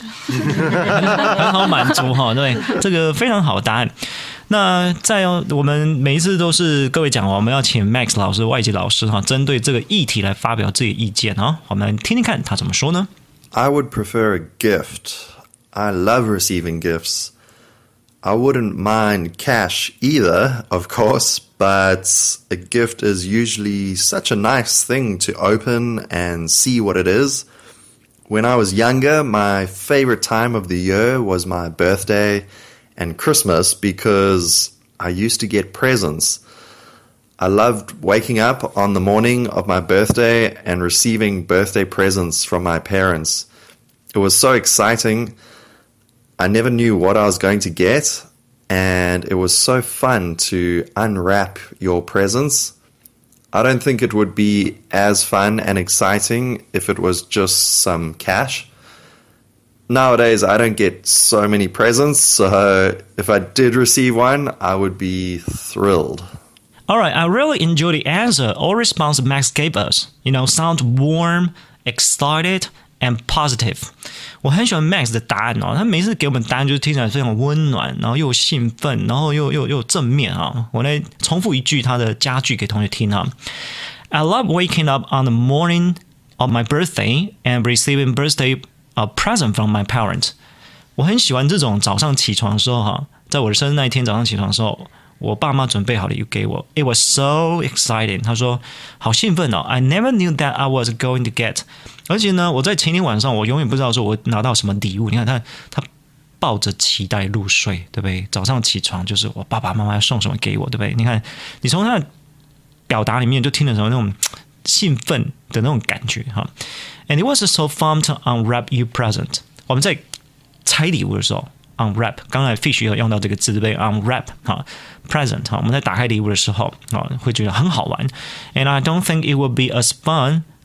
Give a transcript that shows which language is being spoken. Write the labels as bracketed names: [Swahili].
[Chinese] 很好满足哈，对，这个非常好的答案。那在我们每一次都是各位讲，我们要请 Max 老师、外籍老师哈，针对这个议题来发表自己的意见啊。我们听听看他怎么说呢 [English] ？I would prefer a gift. I love receiving gifts. I wouldn't mind cash either, of course, but a gift is usually such a nice thing to open and see what it is. When I was younger, my favorite time of the year was my birthday and Christmas because I used to get presents. I loved waking up on the morning of my birthday and receiving birthday presents from my parents. It was so exciting. I never knew what I was going to get, and it was so fun to unwrap your presents. I don't think it would be as fun and exciting if it was just some cash. Nowadays, I don't get so many presents, so if I did receive one, I would be thrilled. All right, I really enjoy the answer or response Max gave us. You know, sound warm, excited, and positive. [Chinese] 我很喜欢 Max 的答案哦，他每次给我们答案就是听起来非常温暖，然后又兴奋，然后又正面啊。我来重复一句他的佳句给同学听啊。 [English] I love waking up on the morning of my birthday and receiving birthday present from my parents. [Chinese] 我很喜欢这种早上起床的时候哈，在我的生日那一天早上起床的时候，我爸妈准备好了又给我。 [English] It was so exciting. [Chinese] 他说好兴奋哦。 [English] I never knew that I was going to get. [Chinese] 而且呢，我在前天晚上，我永远不知道说我拿到什么礼物。你看他抱着期待入睡，对不对？早上起床就是我爸爸妈妈要送什么给我，对不对？你看，你从他的表达里面就听得什么那种兴奋的那种感觉哈。 [English] And it was so fun to unwrap your present。 [Chinese] 我们在拆礼物的时候 ，unwrap， 刚才 Fish 有用到这个字，对不对 ？unwrap 哈 ，present 哈，我们在打开礼物的时候啊，会觉得很好玩。 [English] And I don't think it will be as fun.